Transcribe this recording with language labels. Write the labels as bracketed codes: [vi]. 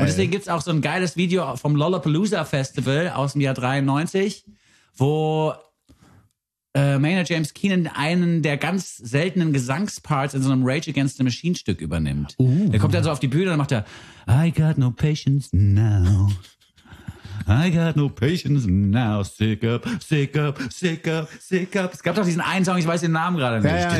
[de] Und deswegen gibt es auch so ein geiles Video vom Lollapalooza Festival aus dem Jahr 93, wo Maynard James Keenan einen der ganz seltenen Gesangsparts in so einem Rage Against the Machine Stück übernimmt. Er kommt dann so auf die Bühne und macht [en] I got no patience now. I got no patience now. Sick up, sick up, sick up, sick up. [de] Es gab doch diesen einen Song, ich weiß den Namen gerade nicht.